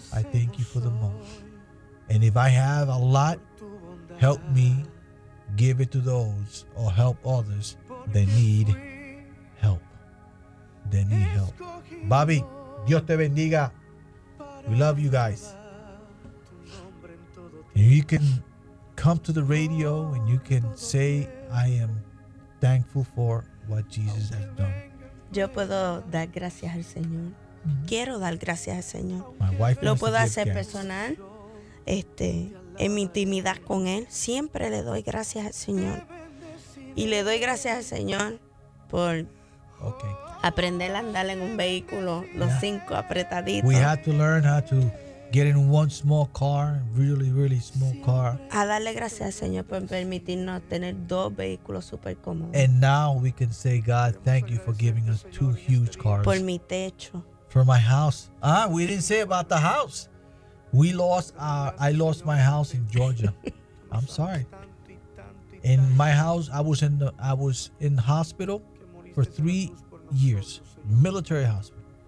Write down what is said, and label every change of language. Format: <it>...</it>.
<en>I thank you for the most. And if I have a lot, help me give it to those or help others that need help. They need help. Bobby,</en> <es>Dios te bendiga.</es> <en>We love you guys. And you can come to the radio and you can say, I am thankful for what Jesus has done.</en> <es>Yo puedo dar gracias al Señor. Mm-hmm. Quiero dar gracias al Señor.</es> <en>My wife</en> <es>lo puedo hacer personal. En mi intimidad con Él, siempre le doy gracias al Señor. Y le doy gracias al Señor por aprender a andar en un vehículo, los cinco apretaditos.</es> <en>We had to learn how to get in one small car, really, really small car.</en> <es>A darle gracias al Señor por permitirnos tener dos vehículos super cómodos.</es> <en>And now we can say, God, thank you for giving us two huge cars.</en> <es>Por mi techo.</es> <en>For my house. We didn't say about the house. I lost my house in Georgia. I'm sorry. In my house, I was in the hospital for 3 years, military hospital.</en>